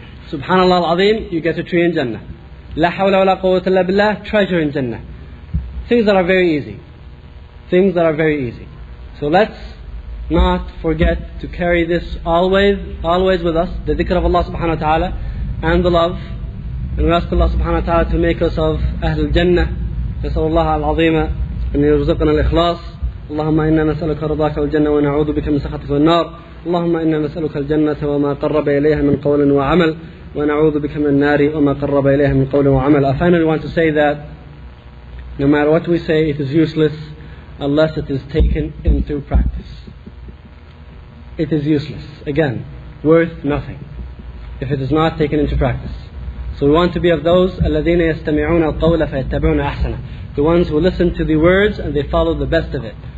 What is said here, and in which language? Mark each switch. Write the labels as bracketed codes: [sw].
[en] Subhanallah al-azim, you get a tree in Jannah. [ar] La hawla wa la quwwata illa billah, [en] treasure in Jannah. Things that are very easy. Things that are very easy. So let's not forget to carry this always with us, the dhikr of Allah subhanahu wa ta'ala and the love. And we ask Allah subhanahu wa ta'ala to make us of Ahl al-Jannah. [ar] نسأل الله العظيم أن يرزقنا الإخلاص. اللهم إنا نسألك رضاك والجنة ونعوذ بك من سخطك والنار. اللهم إنا نسألك الجنة وما قرب إليها من قول وعمل ونعوذ بك من النار وما قرب إليها من قول وعمل. [en] I finally want to say that no matter what we say, it is useless unless it is taken into practice. It is useless. Again, worth nothing if it is not taken into practice. So we want to be of those [ar] الَّذِينَ يَسْتَمِعُونَ الْقَوْلَ فَيَتَّبِعُونَ أَحْسَنًا, [en] the ones who listen to the words and they follow the best of it.